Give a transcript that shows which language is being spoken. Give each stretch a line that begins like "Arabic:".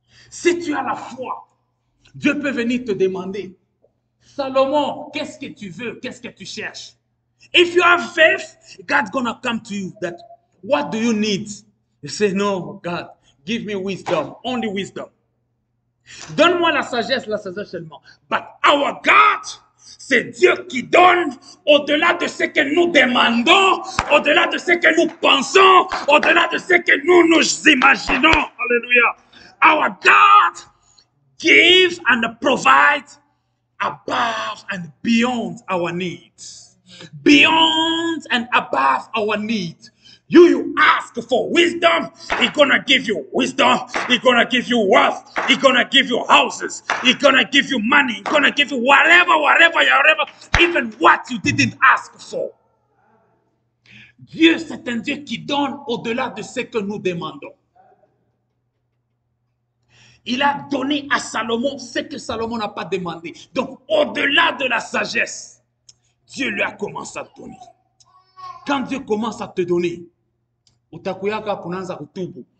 French: Si tu as la foi, Dieu peut venir te demander, Salomon, qu'est-ce que tu veux, qu'est-ce que tu cherches?
English: If you have faith, God's gonna come to you, that what do you need? You say, no, God, give me wisdom, only wisdom.
French: Donne-moi la sagesse seulement.
English: But our God,
French: c'est Dieu qui donne au-delà de ce que nous demandons, au-delà de ce que nous pensons, au-delà de ce que nous imaginons. Alléluia.
English: Our God gives and provides above and beyond our needs. Beyond and above our needs. You ask for wisdom, he's gonna give you wisdom, he's gonna give you wealth, he's gonna give you houses, he's gonna give you money, he's gonna give you whatever, even what you didn't ask for.
French: Dieu, c'est un Dieu qui donne au-delà de ce que nous demandons. Il a donné à Salomon ce que Salomon n'a pas demandé. Donc, au-delà de la sagesse, Dieu lui a commencé à te donner. Quand Dieu commence à te donner,
Swahili: utakuyaka kunanza kutubu.